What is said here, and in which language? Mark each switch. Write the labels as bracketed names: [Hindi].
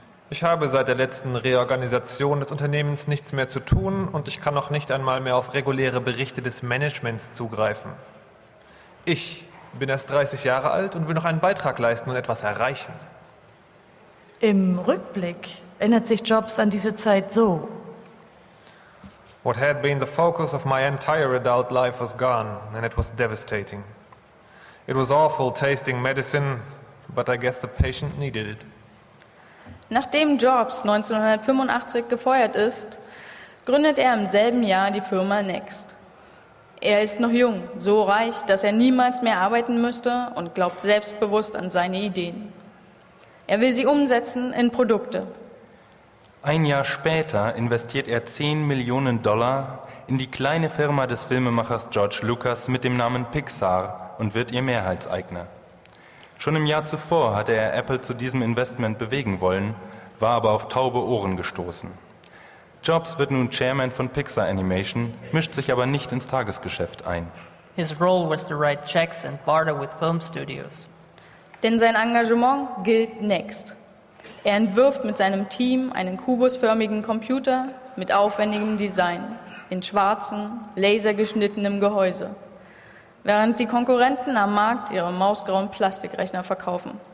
[German] Ich habe seit der letzten Reorganisation des Unternehmens nichts mehr zu tun und ich kann noch nicht einmal mehr auf reguläre Berichte des Managements zugreifen. Ich bin erst 30 Jahre alt und will noch einen Beitrag leisten und etwas erreichen. Im Rückblick erinnert sich Jobs an diese Zeit so: [English] What had been the focus of my entire adult life was gone and it was devastating. It was awful tasting medicine, but I guess the patient needed it. [German] Nachdem Jobs 1985 gefeuert ist, gründet er im selben Jahr die Firma Next. Er ist noch jung, so reich, dass er niemals mehr arbeiten müsste und glaubt selbstbewusst an seine Ideen. Er will sie umsetzen in Produkte. Ein Jahr später investiert er 10 Millionen Dollar in die kleine Firma des Filmemachers George Lucas mit dem Namen Pixar und wird ihr Mehrheitseigner. Schon im Jahr zuvor hatte er Apple zu diesem Investment bewegen wollen, war aber auf taube Ohren gestoßen. Jobs wird nun Chairman von Pixar Animation, mischt sich aber nicht ins Tagesgeschäft ein. [English] His role was to write checks and barter with film studios. [German] Denn sein Engagement gilt Next. Er entwirft mit seinem Team einen kubusförmigen Computer mit aufwendigem Design, in schwarzem, lasergeschnittenem Gehäuse. Während die Konkurrenten am Markt ihre mausgrauen Plastikrechner verkaufen.